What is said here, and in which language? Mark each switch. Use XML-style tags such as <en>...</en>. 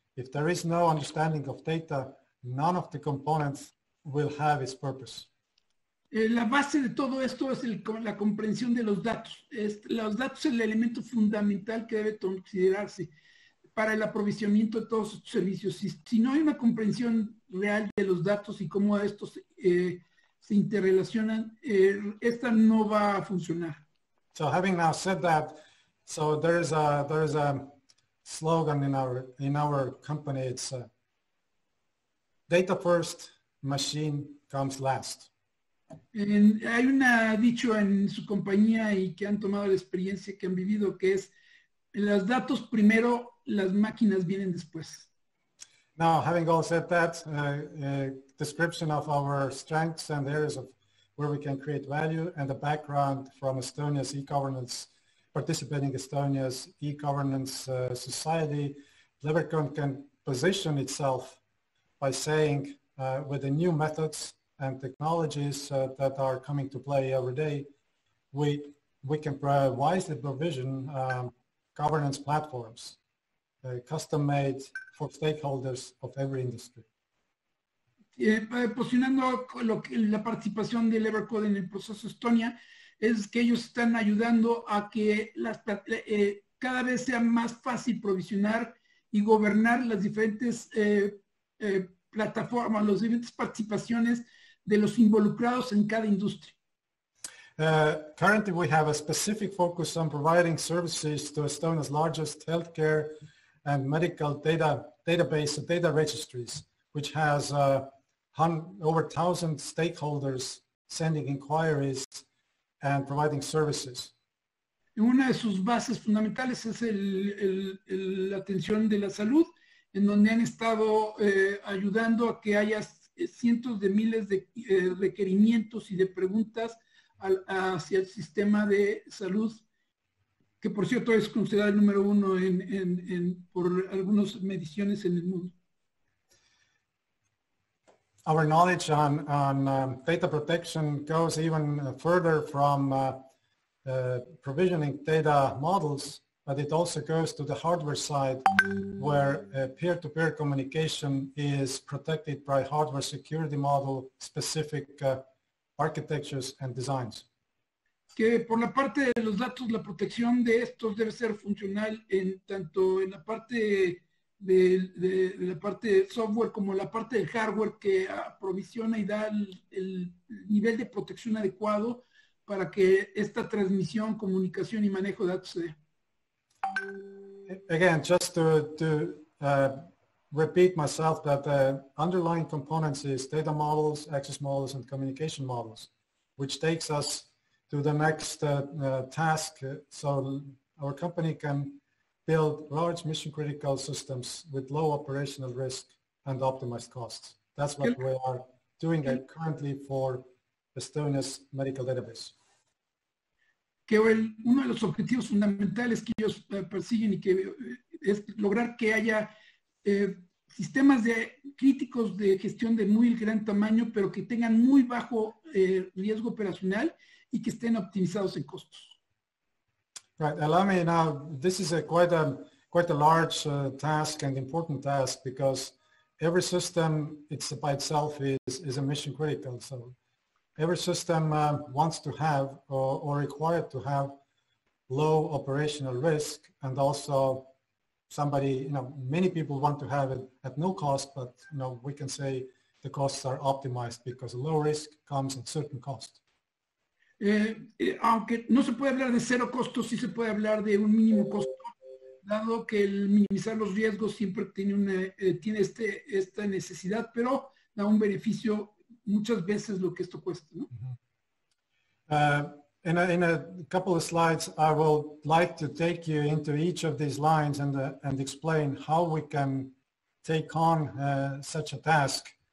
<en>If there is no understanding of data, none of the components will have its purpose.</en> <es>La base de todo esto es la comprensión de los datos. Los datos es el elemento fundamental que debe considerarse para el aprovisionamiento de todos estos servicios. Si no hay una comprensión real de los datos y cómo estos se interrelacionan, esta no va a funcionar.</es> <en>So having now said that, so there is a slogan in our company. It's data first, machine comes last.</en> <es>Hay una dicho en su compañía y que han tomado la experiencia que han vivido que es los datos primero, las máquinas vienen después.</es> <en>Now, having all said that, description of our strengths and areas of where we can create value and the background from Estonia's e-governance, participating Estonia's e-governance society, Leverkusen can position itself by saying with the new methods and technologies that are coming to play every day, we can wisely provision governance platforms, custom-made for stakeholders of every industry.</en> <es>Posicionando la participación de Levercode en el proceso Estonia, es que ellos están ayudando a que cada vez sea más fácil provisionar y gobernar las diferentes plataformas, las diferentes participaciones de los involucrados en cada industria.</es> <en>Currently we have a specific focus on providing services to Estonia's largest healthcare and medical database and data registries, which has over 1,000 stakeholders sending inquiries and providing services.</en> <es>Una de sus bases fundamentales es la atención de la salud, en donde han estado ayudando a que haya cientos de miles de requerimientos y de preguntas hacia el sistema de salud, que por cierto es considerado el número uno en por algunas mediciones en el mundo.</es> <en>Our knowledge on data protection goes even further from provisioning data models, but it also goes to the hardware side, where peer-to-peer communication is protected by hardware security model specific architectures and designs.</en> <es>Que por la parte de los datos, la protección de estos debe ser funcional en tanto en la parte de la parte de software como la parte del hardware que aprovisiona y da el nivel de protección adecuado para que esta transmisión, comunicación y manejo de datos sea.</es> <en>Again, just to repeat myself that the underlying components is data models, access models, and communication models, which takes us to the next task so our company can build large mission-critical systems with low operational risk and optimized costs. That's what we are doing currently for Estonia's medical database.</en> <es>Que el, uno de los objetivos fundamentales que ellos persiguen y que es lograr que haya sistemas de críticos de gestión de muy gran tamaño, pero que tengan muy bajo riesgo operacional y que estén optimizados en costos.</es> <en>Right, allow me now, this is quite a large task and important task because every system by itself is a mission critical. So every system wants to have or required to have low operational risk, and also somebody, you know, many people want to have it at no cost, but you know, we can say the costs are optimized because low risk comes at certain cost.</en> <es>Aunque no se puede hablar de cero costo, sí se puede hablar de un mínimo costo, dado que el minimizar los riesgos siempre tiene una, tiene este, esta necesidad, pero da un beneficio muchas veces lo que esto cuesta, ¿no?</es> <en>In a couple of slides, I will like to take you into each of these lines and explain how we can take on such a task.</en>